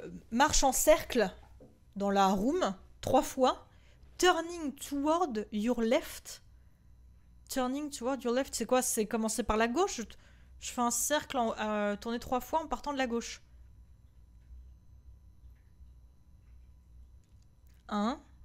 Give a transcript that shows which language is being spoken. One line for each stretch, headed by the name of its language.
French: Marche en cercle dans la room trois fois.
English: Turning toward your left. Turning toward your left,
French: c'est quoi? C'est commencer par la gauche. Je fais un cercle en tourner trois fois en partant de la gauche. 1.